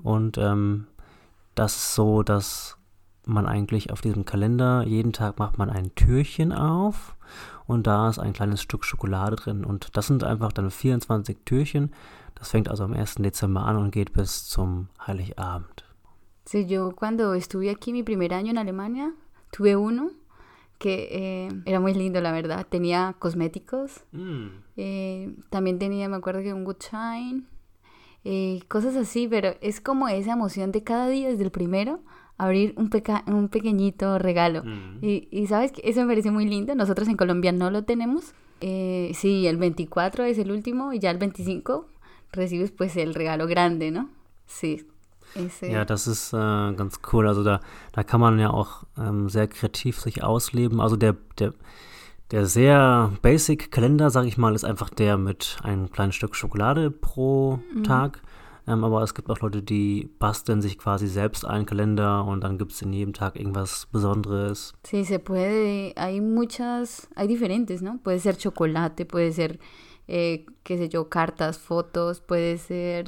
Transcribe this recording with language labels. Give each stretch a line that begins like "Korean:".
German: das ist so, dass man eigentlich auf diesem Kalender, jeden Tag macht man ein Türchen auf und da ist ein kleines Stück Schokolade drin. Und das sind einfach dann 24 Türchen. Das fängt also am 1. Dezember an und geht bis zum Heiligabend.
Spanish: Sí, yo cuando estuve aquí mi primer año en Alemania, tuve uno que era muy lindo, la verdad. Tenía cosméticos. También tenía, me acuerdo que un Gutschein. Cosas así, pero es como esa emoción de cada día desde el primero abrir un pequeñito regalo. Y sabes que eso me parece muy lindo. Nosotros en Colombia no lo tenemos. Sí, el 24 es el último y ya el 25 recibes pues el regalo grande, ¿no? Sí.
German: Ja, das ist ganz cool. Also da kann man ja auch sehr kreativ sich ausleben. Also der sehr basic Kalender, sag ich mal, ist einfach der mit einem kleinen Stück Schokolade pro Tag. Aber es gibt auch Leute, die basteln sich quasi selbst einen Kalender und dann gibt es in jedem Tag irgendwas Besonderes.
Spanish: Sí, se puede. Hay diferentes, ¿no? Puede ser Chocolate, puede ser qué sé yo, cartas, fotos, puede ser.